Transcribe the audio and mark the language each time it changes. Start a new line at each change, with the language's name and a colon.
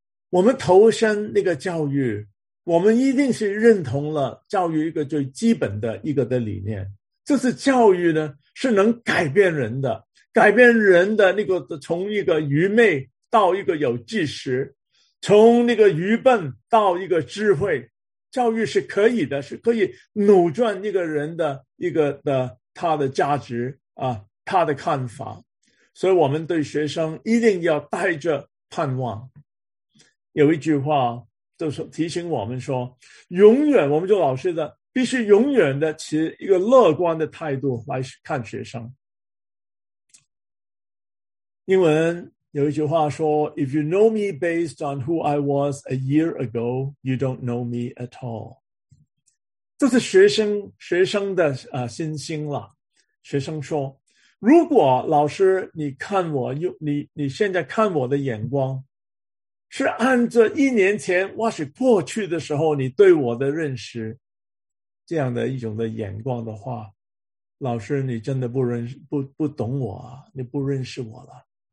Chinese: 我们投身那个教育，我们一定是认同了教育一个最基本的一个的理念，就是教育呢是能改变人的，改变人的那个从一个愚昧到一个有知识，从那个愚笨到一个智慧，教育是可以的，是可以扭转一个人的一个的他的价值啊，他的看法。所以我们对学生一定要带着盼望。有一句话就是提醒我们说，永远我们做老师的必须永远的持一个乐观的态度来看学生。英文有一句话说，
English: If you know me based on who I was a year ago, you don't know me at all.
Chinese: 这是学生的信心了。学生说，如果老师你看我，你现在看我的眼光是按着一年前或是过去的时候你对我的认识这样的一种的眼光的话，老师你真的不懂我啊，你不认识我了。